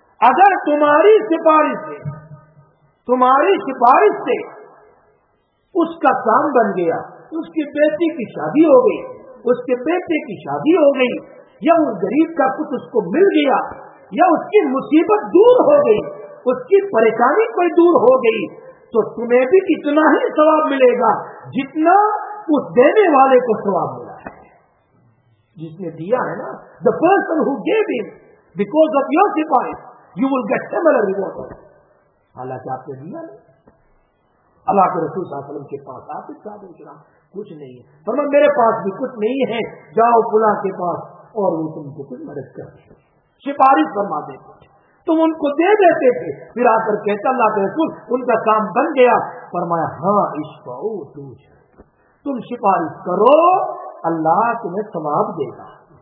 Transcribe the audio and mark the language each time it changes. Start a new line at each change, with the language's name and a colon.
Urdu: اگر تمہاری سفارش سے, تمہاری سفارش سے اس کا کام بن گیا, اس کی بیٹی کی شادی ہو گئی, اس کے بیٹے کی شادی ہو گئی, یا اس غریب کا کچھ اس کو مل گیا, یا اس کی مصیبت دور ہو گئی, اس کی پریشانی کوئی دور ہو گئی, تو تمہیں بھی اتنا ہی ثواب ملے گا جتنا اس دینے والے کو ثواب ملا ہے. جس نے دیا ہے نا,
English: the person who gave him because of your sacrifice, you will get similar reward.
Urdu: حالانکہ آپ نے دیا نہیں, اللہ کے رسول صلی اللہ علیہ وسلم کے پاس آپ اس کا کچھ نہیں ہے, فرما میرے پاس بھی کچھ نہیں ہے, جاؤ فلاں کے پاس اور وہ تم کو کچھ مدد کر دے, سفارش فرما دے, تم ان کو دے دیتے تھے. پھر آ کر کہتا اللہ کے رسول ان کا کام بن گیا, فرمایا ہاں
Arabic: اشفعوا توجہ,
Urdu: تم سفارش کرو اللہ تمہیں ثواب دے گا.